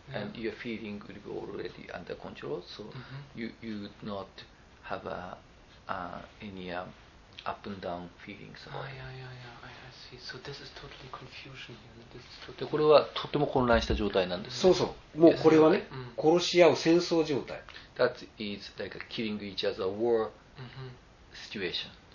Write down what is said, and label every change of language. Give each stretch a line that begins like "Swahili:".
English: And your feeling will be already under control, so you would not have any up and down feelings. I see. So this is totally confusion here. This is totally.
Japanese: でこれはとても混乱した状態なんです、ね。そうそう。もうこれはね、殺し合う戦争状態。
English: That is like a killing each other war situation.